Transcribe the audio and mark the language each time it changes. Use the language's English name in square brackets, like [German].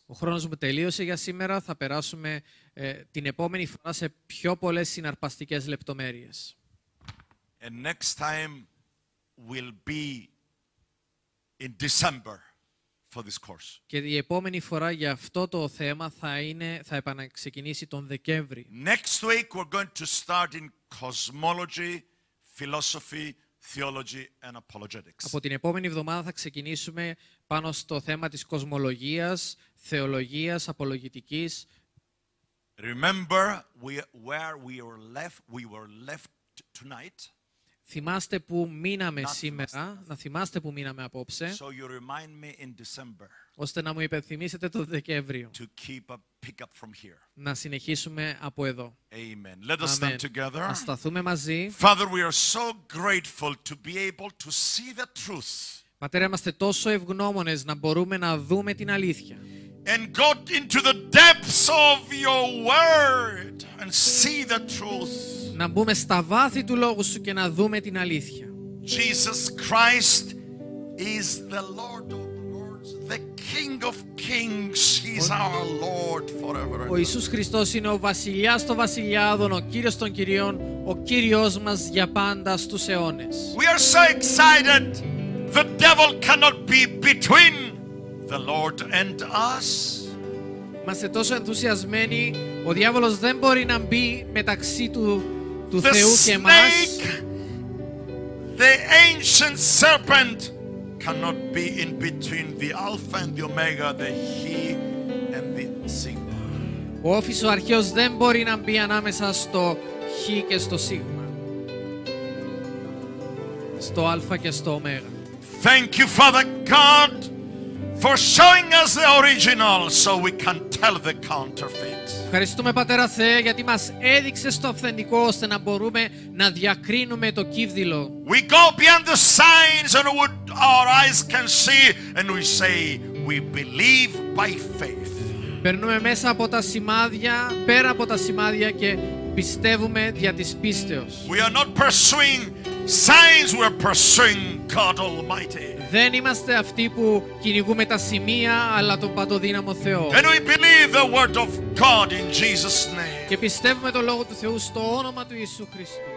[Greek] Ο χρόνος μου τελείωσε για σήμερα. Θα περάσουμε την επόμενη φορά σε πιο πολλές συναρπαστικές λεπτομέρειες. [English] And next time will be in December for this course. [Greek] Και η επόμενη φορά για αυτό το θέμα θα είναι, θα επαναξεκινήσει τον Δεκέμβρη. [English] Next week we're going to start in cosmology, philosophy, theology and apologetics. [Greek] Από την επόμενη εβδομάδα θα ξεκινήσουμε πάνω στο θέμα της κοσμολογίας, θεολογίας, απολογητικής. [English] Remember where we were left, tonight. [Greek] Θυμάστε που μείναμε σήμερα, να θυμάστε που μείναμε απόψε. [English] So you remind me in December. [Greek] ώστε να μου υπενθυμίσετε το Δεκέμβριο. [English] To keep up, pick up from here. [Greek] Να συνεχίσουμε από εδώ. [English] Amen. Let us stand together. [Greek] Ας σταθούμε μαζί. [English] Father, we are so grateful to be able to see the truth. [Greek] Πατέρα, είμαστε τόσο ευγνώμονες να μπορούμε να δούμε την αλήθεια. [English] And go into the depths of your word and see the truth. [Greek] Να μπούμε στα βάθη του λόγου σου και να δούμε την αλήθεια. [English] Jesus Christ is the Lord of lords, the King of kings. He's our Lord forever. [Greek] Ο Ιησούς Χριστός είναι ο Βασιλιάς των Βασιλιάδων, ο Κύριος των Κυρίων, ο Κύριος μας για πάντα στους αιώνες. [English] We are so excited. The devil cannot be between the Lord and us. [Greek] Είμαστε τόσο ενθουσιασμένοι, ο διάβολος δεν μπορεί να μπει μεταξύ του [English] the [Greek] Θεού και [English] snake, [Greek] μας. [English] The ancient serpent cannot be in between the Alpha and the Omega, the He and the Sigma. [Greek] Ο όφης ο αρχαίος δεν μπορεί να μπει ανάμεσα στο Χ και στο Σίγμα. Στο Αλφα και στο Ωμέγα. [English] Thank you, Father God, for showing us the original so we can tell the counterfeit. [Greek] Ευχαριστούμε, Πατέρα Θεέ, γιατί μας έδειξες το αυθεντικό ώστε να μπορούμε να διακρίνουμε το κύβδιλο. [English] We go beyond the signs and what our eyes can see and we say we believe by faith. [Greek] Περνούμε μέσα από τα σημάδια, πέρα από τα σημάδια και πιστεύουμε δια της πίστεως. [English] We are not pursuing signs, we are pursuing God Almighty. [Greek] Δεν είμαστε αυτοί που κυνηγούμε τα σημεία, αλλά τον παντοδύναμο Θεό. [English] And we believe the word of God in Jesus' name. [Greek] Και πιστεύουμε το λόγο του Θεού στο όνομα του Ιησού Χριστού.